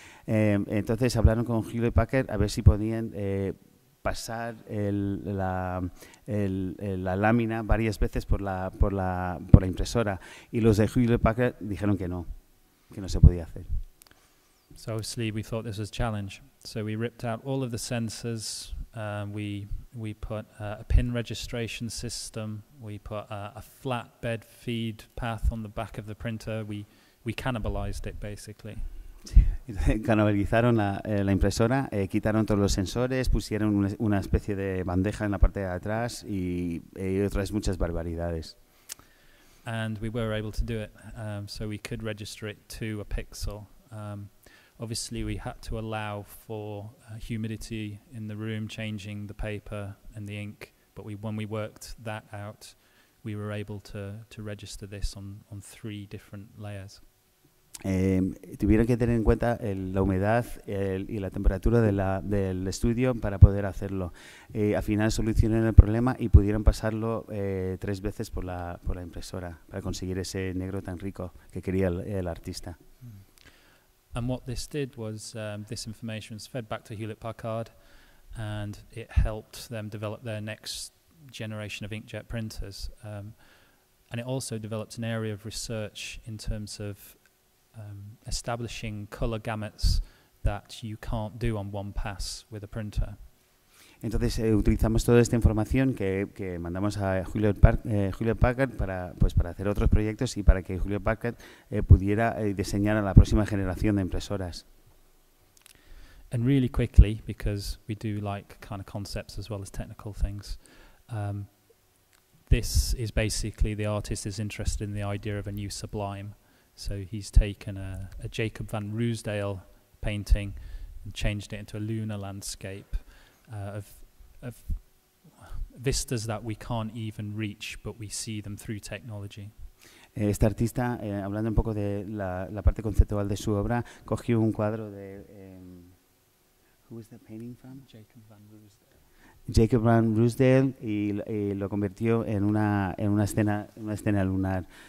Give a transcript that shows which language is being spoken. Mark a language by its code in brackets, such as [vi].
[es] Entonces hablaron con Hewlett-Packard a ver si podían pasar la lámina varias veces por la impresora y los de Hewlett-Packard dijeron que no se podía hacer. [en] So obviously we thought this was a challenge. So we ripped out all of the sensors. We put a pin registration system. We put a flat bed feed path on the back of the printer. We cannibalized it basically. [es] Cannibalizaron la impresora, quitaron todos los sensores, pusieron una especie de bandeja en la parte de atrás y otras muchas barbaridades. [en] And we were able to do it, so we could register it to a pixel. Obviously, we had to allow for humidity in the room changing the paper and the ink, but when we worked that out, we were able to register this on three different layers. [es] Tuvieron que tener en cuenta la humedad y la temperatura del estudio para poder hacerlo. Al final solucionaron el problema y pudieron pasarlo tres veces por la impresora para conseguir ese negro tan rico que quería el artista. [en] And what this did was this information was fed back to Hewlett-Packard and it helped them develop their next generation of inkjet printers. And it also developed an area of research in terms of establishing color gamuts that you can't do on one pass with a printer. [es] Entonces utilizamos toda esta información que mandamos a Hewlett-Packard para hacer otros proyectos y para que Hewlett-Packard pudiera diseñar a la próxima generación de impresoras. [en] And really quickly, because we do like kind of concepts as well as technical things, this is basically the artist is interested in the idea of a new sublime. So he's taken a Jacob van Roosdael painting and changed it into a lunar landscape. Of vistas that we can't even reach, but we see them through technology. [es] Este artista, hablando un poco de la parte conceptual de su obra, cogió un cuadro de [en] who is that painting from? Jacob van Roosdael. [es] Jacob van Roosdael y lo convirtió en una escena lunar.